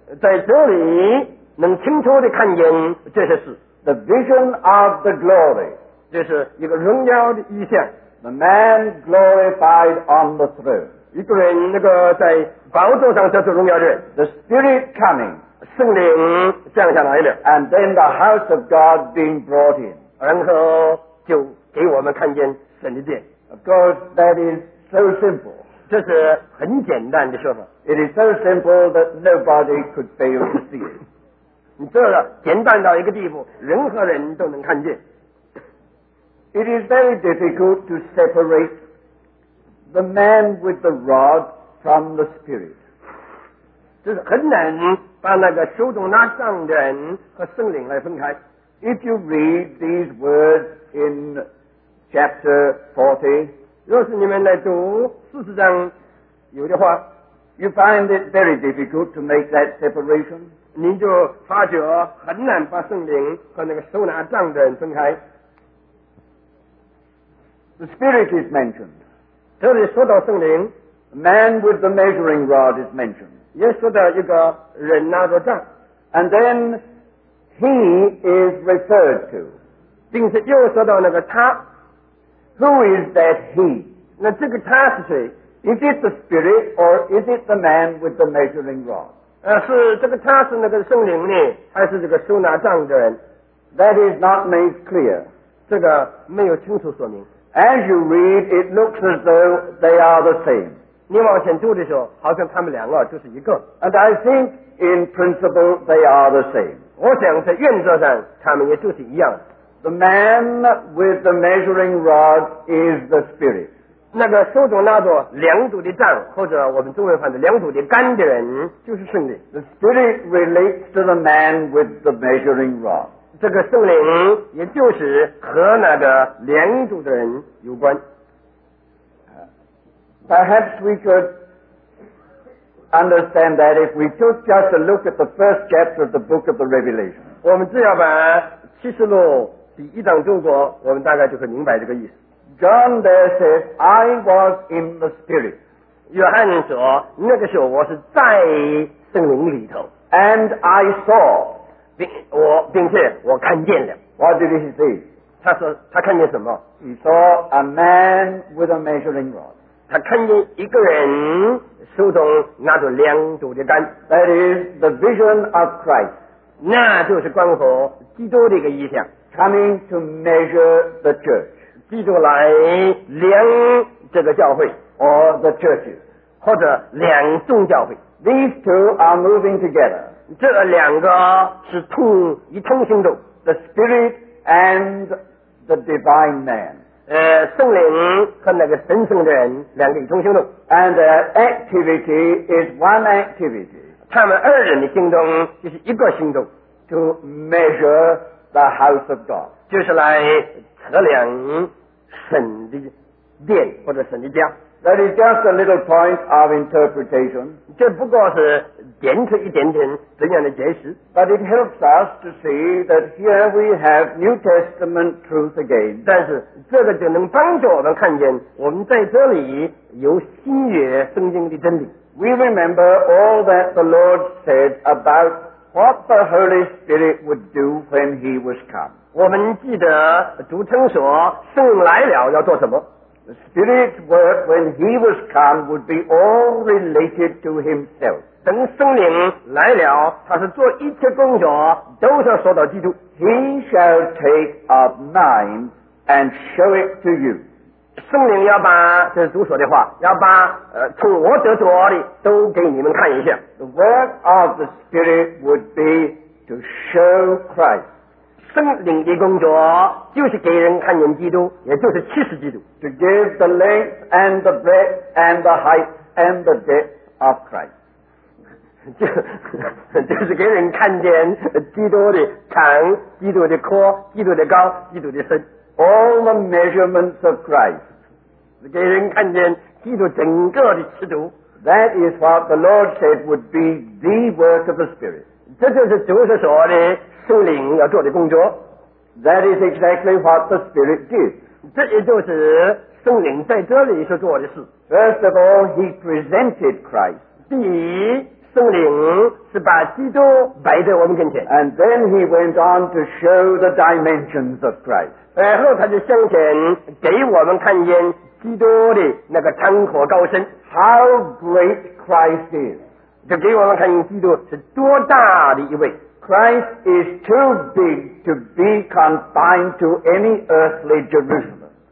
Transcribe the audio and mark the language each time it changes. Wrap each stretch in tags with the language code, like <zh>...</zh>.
<zh>在这里能清楚地看见这些事。The</zh> <en>vision of the glory.</en> <zh>这是一个荣耀的意象。The</zh> <en>man glorified on the throne.</en> <zh>一个人那个在宝座上得着荣耀的人。The</zh> <en>spirit coming.</en> <zh>圣灵降下来了,</zh> <en>and then the house of God being brought in.</en> <zh>然后就给我们看见神的殿。</zh> <en>Of course, that is so simple.</en> <zh>这是很简单的说法。</zh> <en>It is so simple that nobody could fail to see it.</en> <zh>你做了简单到一个地步, 任何人都能看见。</zh> <en>It is very difficult to separate the man with the rod from the spirit.</en> <zh>这是很难把那个手中拿杖的人和圣灵来分开。</zh> <en>If you read these words in chapter 40,</en> <zh>若是你们来读四十章有的话</zh> <en>，you find it very difficult to make that separation.</en> <zh>你就发觉很难把圣灵和那个手拿杖的人分开。</zh> <en>The spirit is mentioned.</en> <zh>这里说到圣灵</zh> <en>，the man with the measuring rod is mentioned.</en> <zh>也说到一个人拿着杖</zh> <en>，and then. He is referred to.</en> <zh>并且又说到那个他。</zh> <en>Who is that he?</en> <zh>那这个他是谁？</zh> <en>Is it the spirit or is it the man with the measuring rod?</en> <zh>是这个他是那个圣灵呢，还是这个手拿杖的人？</zh> <en>That is not made clear.</en> <zh>这个没有清楚说明。</zh> <en>As you read, it looks as though they are the same.</en> <zh>你往前读的时候，好像他们两个就是一个。</zh> <en>And I think in principle they are the same.</en> <zh>我想在原则上他们也就是一样</zh> <en>The man with the measuring rod is the spirit.</en> <zh>那个手中拿着量度的杖或者我们中文翻译量度的杆的人就是圣灵</zh> <en>The spirit relates to the man with the measuring rod.</en> <zh>这个圣灵也就是和那个量度的人有关</zh> <en>Perhaps we couldUnderstand that if we took just a look at the first chapter of the book of the Revelation.</en> <zh>我们只要把启示录第一章读过，我们大概就会明白这个意思。</zh> <en>John there says, "I was in the Spirit."</en> <zh>约翰说，那个时候我是在圣灵里头。</zh> <en>And I saw,</en> <zh>并且我看见了。</zh> <en>What did he see?</en> <zh>他说他看见什么</zh> <en>？He saw a man with a measuring rod.</en> <zh>他看见一个人。手中拿着量度的杆</zh> <en>That is the vision of Christ.</en> <zh>那就是关乎基督的一个意象</zh> <en>Coming to measure the church.</en> <zh>基督来量这个教会</zh> <en>Or the churches.</en> <zh>或者两众教会</zh> <en>These two are moving together.</en> <zh>这两个是同一通行动</zh> <en>The spirit and the divine man.</en> <zh>圣灵和那个神圣的人两个一同行动</zh> <en>and the activity is one activity</en> <zh>他们二人的行动就是一个行动</zh> <en>to measure the house of God</en> <zh>就是来测量神的殿或者神的家</zh> <en>that is just a little point of interpretation</en> <zh>这不过是点出一点点怎样的解释</zh> <en>but it helps us to see that here we have New Testament truth again</en> <zh>但是这个就能帮助我们看见我们在这里有新约圣经的真理</zh> <en>we remember all that the Lord said about what the Holy Spirit would do when he was come</en> <zh>我们记得主曾说圣灵来了要做什么</zh> <en>the Spirit's work when he was come would be all related to himself</en> <zh>等圣灵来了他是做一切工作都是说到基督</zh> <en>He shall take of mine and show it to you</en> <zh>圣灵要把这是主所的话要把从我得着的都给你们看一下</zh> <en>The work of the Spirit would be to show Christ</en> <zh>圣灵的工作就是给人看见基督也就是启示基督</zh> <en>To give the length and the breadth and the height and the depth of Christ</en> <zh>就是给人看见基督的长基督的阔基督的高基督的深</zh> <en>All the measurements of Christ</en> <zh>给人看见基督整个的尺度</zh> <en>That is what the Lord said would be the work of the Spirit</en> <zh>这就是主所说的圣灵要做的工作</zh> <en>That is exactly what the Spirit did</en> <zh>这也就是圣灵在这里所做的事</zh> <en>First of all, he presented Christ</en> <zh>第一圣灵是把基督摆在我们跟前</zh> <en>and then he went on to show the dimensions of Christ</en> <zh>然后他就向前给我们看见基督的那个长阔高深</zh> <en>how great Christ is</en> <zh>就给我们看见基督是多大的一位</zh> <en>Christ is too big to be confined to any earthly Jerusalem</en>